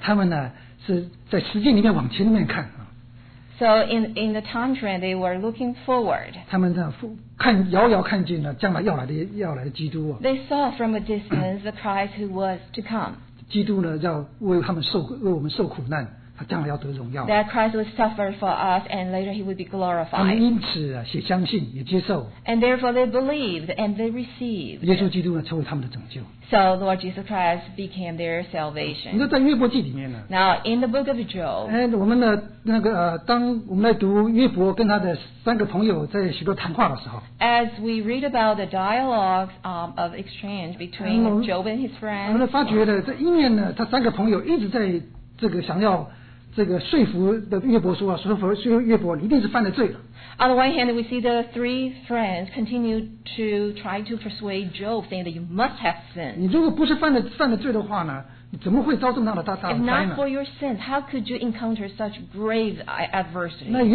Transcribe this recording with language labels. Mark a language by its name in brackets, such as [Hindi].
[Chinese] 他们呢,是在时间里面往前面看, [English] so in the time trend, they were looking forward. [Chinese] 他们呢,遥遥看见了将来要来的基督, [English] they saw from a distance the Christ who was to come. [Chinese] 基督呢,要为他们受, 为我们受苦难, [English] that Christ would suffer for us and later he would be glorified. [Chinese] 他们因此相信, [English] and therefore they believed and they received. [Chinese] 耶稣基督呢, [English] so Lord Jesus Christ became their salvation. [Chinese] 你说在约伯记里面呢, [English] now in the book of Job, and [Chinese] 我们呢,那个,当我们来读约伯跟他的三个朋友在许多谈话的时候, [English] as we read about the dialogues of exchange between Job and his friends, [Chinese] 我们发觉了,这一面呢,他三个朋友一直在 这个想要这个说服的约伯说啊，说服约伯，你一定是犯了罪了。 [English] On the one hand, we see the three friends continue to try to persuade Job, saying that you must have sinned. [Chinese] 你如果不是犯了罪的话呢，怎么会遭这么大的灾呢？ [English] If not for your sins, how could you encounter such grave adversity?